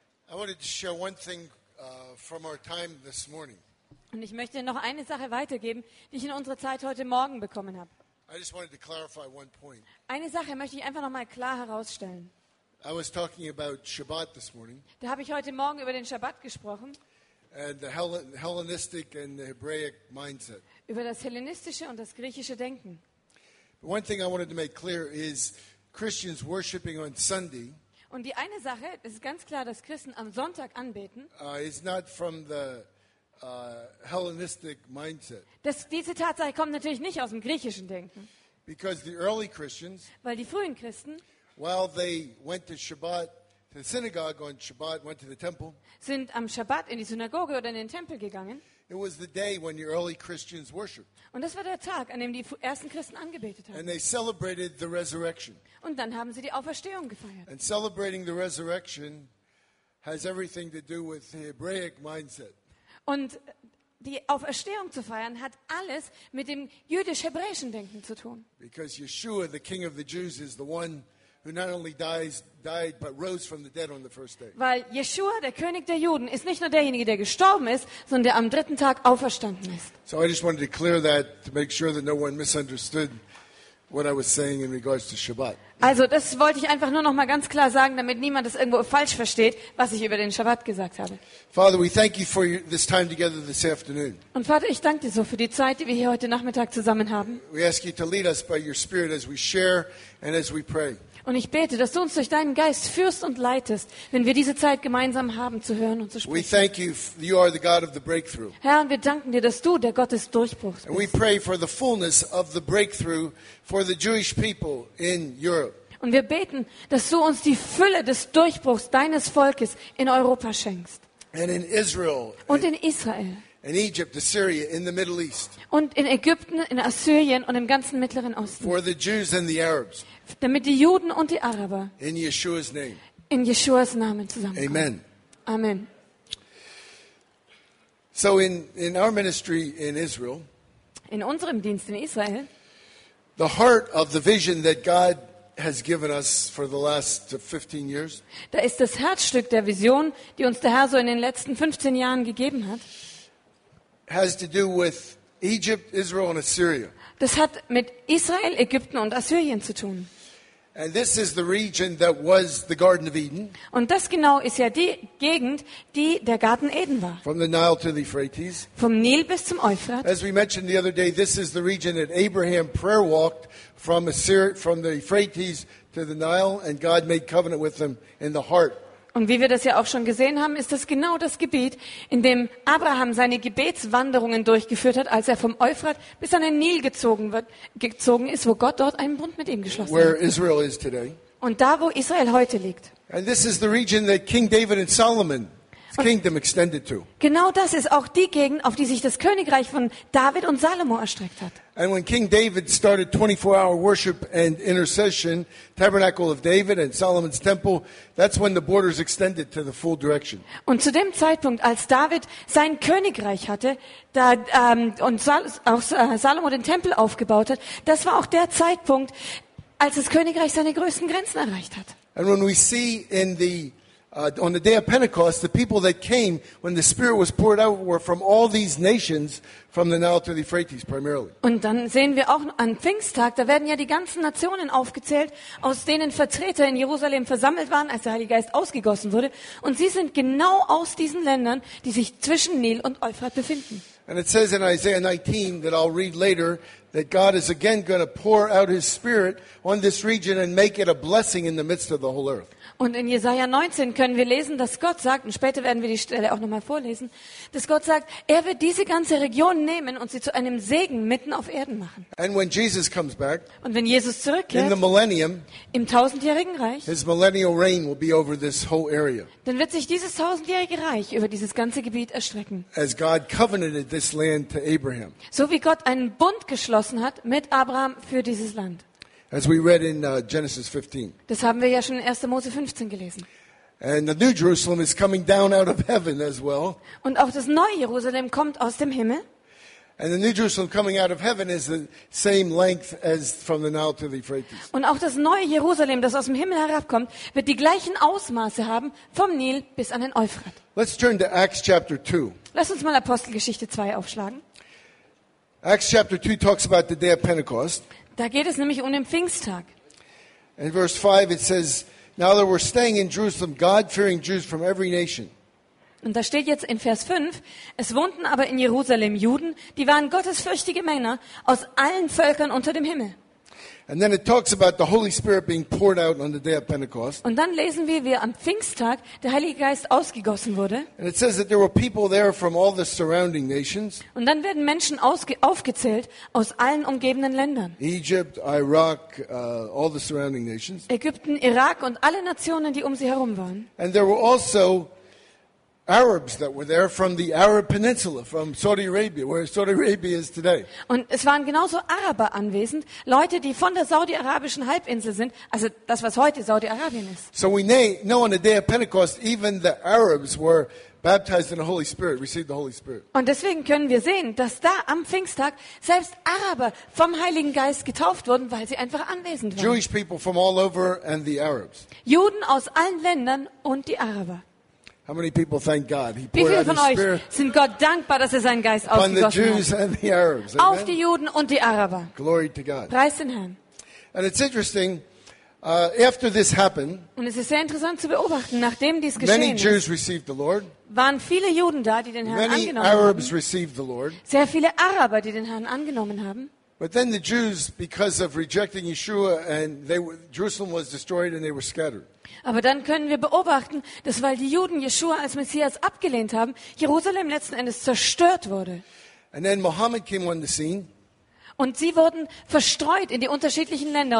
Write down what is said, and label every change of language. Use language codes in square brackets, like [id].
[en] I wanted to share one thing from our time this morning. [de] Und ich möchte noch eine Sache weitergeben, die ich in unserer Zeit heute Morgen bekommen habe. [en] I just wanted to clarify one point. [de] Eine Sache möchte ich einfach noch mal klar herausstellen. [en] I was talking about Shabbat this morning. [de] Da habe ich heute Morgen über den Shabbat gesprochen. [en] And the Hellenistic and the Hebraic mindset. [de] Über das hellenistische und das griechische Denken. [en] One thing I wanted to make clear is Christians worshiping on Sunday. [de] Und die eine Sache, es ist ganz klar, dass Christen am Sonntag anbeten. [en] Is not from the Hellenistic mindset. [de] Diese Tatsache kommt natürlich nicht aus dem griechischen Denken. [en] Because the early Christians. [de] Weil die frühen Christen. [en] While they went to Shabbat, to the synagogue on Shabbat, went to the temple. [de] Sind am Shabbat in die Synagoge oder in den Tempel gegangen. [en] It was the day when the early Christians worshiped. [de] Und das war der Tag, an dem die ersten Christen angebetet haben. [en] And they celebrated the resurrection. [de] Und dann haben sie die Auferstehung gefeiert. [en] And celebrating the resurrection has everything to do with the Hebraic mindset. [de] Und die Auferstehung zu feiern hat alles mit dem jüdisch-hebräischen Denken zu tun. [en] Because Yeshua, the King of the Jews, is the one who not only died but rose from the dead on the first day. [de] Weil Yeshua, der König der Juden, ist nicht nur derjenige, der gestorben ist, sondern der am dritten Tag auferstanden ist. [en] So I just wanted to clear that to make sure that no one misunderstood what I was saying in regards to Shabbat. [de] Also, das wollte ich einfach nur noch mal ganz klar sagen, damit niemand das irgendwo falsch versteht, was ich über den Shabbat gesagt habe. [en] Father, we thank you for this time together this afternoon. [de] Und Vater, ich danke dir so für die Zeit, die wir hier heute Nachmittag zusammen haben. [en] We ask you to lead us by your spirit as we share and as we pray. [de] Und ich bete, dass du uns durch deinen Geist führst und leitest, wenn wir diese Zeit gemeinsam haben, zu hören und zu sprechen. [en] We thank you, you are the God of the breakthrough. [de] Herr, wir danken dir, dass du der Gott des Durchbruchs bist. [en] We pray for the fullness of the breakthrough for the Jewish people in Europe. [de] Und wir beten, dass du uns die Fülle des Durchbruchs deines Volkes in Europa schenkst. [en] And in Israel. [de] Und in Israel. [en] In Egypt, Assyria, in the Middle East. [de] Und in Ägypten, in Assyrien und im ganzen Mittleren Osten. [en] For the Jews and the Arabs. [de] Damit die Juden und die Araber [en] in Yeshua's name. [de] In Yeshua's Namen zusammenkommen. [en] Amen. [de] Amen. [en] So in our ministry in Israel, [de] in unserem Dienst in Israel, [en] the heart of the vision that God has given us for the last 15 years, [de] da ist das Herzstück der Vision, die uns der Herr so in den letzten 15 Jahren gegeben hat, [en] has to do with Egypt, Israel and Assyria. [de] Das hat mit Israel, Ägypten und Assyrien zu tun. [en] And this is the region that was the Garden of Eden. [de] Und das genau ist ja die Gegend, die der Garten Eden war. [en] From the Nile to the Euphrates. [de] Vom Nil bis zum Euphrat. [en] As we mentioned the other day, this is the region that Abraham prayer walked from Assyria, from the Euphrates to the Nile, and God made covenant with him in the heart. [de] Und wie wir das ja auch schon gesehen haben, ist das genau das Gebiet, in dem Abraham seine Gebetswanderungen durchgeführt hat, als er vom Euphrat bis an den Nil gezogen ist, wo Gott dort einen Bund mit ihm geschlossen [en] where [de] hat. [en] Israel is today. [de] Und da, wo Israel heute liegt. [en] And this is the region that King David and Solomon's kingdom extended to. [de] Genau das ist auch die Gegend, auf die sich das Königreich von David und Salomo erstreckt hat. [en] And when King David started 24-hour worship and intercession, Tabernacle of David and Solomon's Temple, that's when the borders extended to the full direction. [de] Und zu dem Zeitpunkt, als David sein Königreich hatte, da und auch Salomo den Tempel aufgebaut hat, das war auch der Zeitpunkt, als das Königreich seine größten Grenzen erreicht hat. [en] And when we see in the on the day of Pentecost, the people that came when the Spirit was poured out were from all these nations, from the Nile to the Euphrates primarily. [de] Und dann sehen wir auch an Pfingsttag, da werden ja die ganzen Nationen aufgezählt, aus denen Vertreter in Jerusalem versammelt waren, als der Heilige Geist ausgegossen wurde. Und sie sind genau aus diesen Ländern, die sich zwischen Nil und Euphrat befinden. [en] And it says in Isaiah 19, that I'll read later, that God is again going to pour out his Spirit on this region and make it a blessing in the midst of the whole earth. [de] Und in Jesaja 19 können wir lesen, dass Gott sagt, und später werden wir die Stelle auch nochmal vorlesen, dass Gott sagt, er wird diese ganze Region nehmen und sie zu einem Segen mitten auf Erden machen. [en] And when Jesus comes back, [de] und wenn Jesus zurückkehrt, [en] in the millennium, [de] im tausendjährigen Reich, [en] his millennial reign will be over this whole area. [de] Dann wird sich dieses tausendjährige Reich über dieses ganze Gebiet erstrecken. [en] As God covenanted this land to Abraham. [de] So wie Gott einen Bund geschlossen hat mit Abraham für dieses Land. [en] As we read in Genesis 15. [de] Das haben wir ja schon in 1. Mose 15 gelesen. [en] And the New Jerusalem is coming down out of heaven as well. [de] Und auch das neue Jerusalem kommt aus dem Himmel. [en] And the New Jerusalem coming out of heaven is the same length as from the Nile to the Euphrates. [de] Und auch das neue Jerusalem, das aus dem Himmel herabkommt, wird die gleichen Ausmaße haben vom Nil bis an den Euphrat. [en] Let's turn to Acts chapter 2. [de] Lass uns mal Apostelgeschichte 2 aufschlagen. [en] Acts chapter 2 talks about the day of Pentecost. [de] Da geht es nämlich um den Pfingsttag. [en] In verse 5 it says, now there were staying in Jerusalem God-fearing Jews from every nation. [de] Und da steht jetzt in Vers 5, es wohnten aber in Jerusalem Juden, die waren gottesfürchtige Männer aus allen Völkern unter dem Himmel. [en] And then it talks about the Holy Spirit being poured out on the day of Pentecost. [de] Und dann lesen wir, wie am Pfingsttag der Heilige Geist ausgegossen wurde. [en] And it says that there were people there from all the surrounding nations. [de] Und dann werden Menschen aufgezählt aus allen umgebenden Ländern. [en] Egypt, Iraq, all the surrounding nations. [de] Ägypten, Irak und alle Nationen, die um sie herum waren. [en] And there were also Arabs that were there from the Arab Peninsula, from Saudi Arabia, where Saudi Arabia is today. [de] Und es waren genauso Araber anwesend, Leute, die von der saudi-arabischen Halbinsel sind, also das, was heute Saudi-Arabien ist. [en] So we know on the day of Pentecost, even the Arabs were baptized in the Holy Spirit, received the Holy Spirit. [de] Und deswegen können wir sehen, dass da am Pfingsttag selbst Araber vom Heiligen Geist getauft wurden, weil sie einfach anwesend waren. [en] Jewish people from all over and the Arabs. [de] Juden aus allen Ländern und die Araber. [en] How many people thank God? He poured out his Spirit. [de] Wie viele von euch sind Gott dankbar, dass er seinen Geist ausgegossen hat? [en] On the Jews and the Arabs. [de] Auf die Juden und die Araber. [en] Glory to God. [de] Preis den Herrn. [en] And it's interesting, after this happened. [de] Und es ist sehr interessant zu beobachten, nachdem dies geschehen ist. [en] Many Jews received the Lord. [de] Waren viele Juden da, die den Herrn [en] many [de] angenommen [en] Arabs [de] haben? [en] Many received the Lord. [de] Sehr viele Araber, die den Herrn angenommen haben. [en] But then the Jews, because of rejecting Yeshua, and Jerusalem was destroyed, and they were scattered. [de] Aber dann können wir beobachten, dass weil die Juden Yeshua als Messias abgelehnt haben, Jerusalem letzten Endes zerstört wurde. [en] And then Muhammad came on the scene. [de] Und sie wurden verstreut in die unterschiedlichen Länder.